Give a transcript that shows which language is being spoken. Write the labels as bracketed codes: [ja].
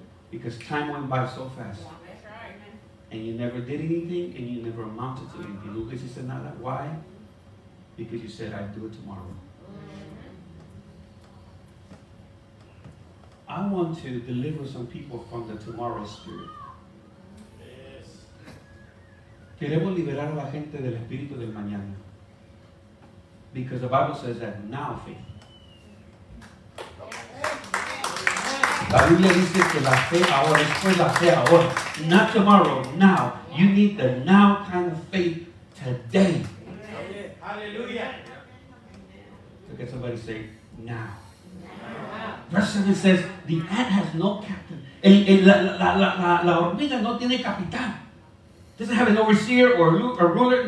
[en] Because time went by so fast. And you never did anything, and you never amounted to anything. Lucas is another. Why? Because you said, I'll do it tomorrow. I want to deliver some people from the tomorrow spirit. Yes. [es] Queremos liberar a la gente del espíritu del mañana. [en] Because the Bible says that now faith. [es] La Biblia dice que la fe ahora es pues la fe ahora. [en] Not tomorrow, now. You need the now kind of faith today. Hallelujah. Look at somebody say, now. Verse 7 says, the ant has no captain. [es] La hormiga no tiene capitán. [en] Doesn't have an overseer or a ruler.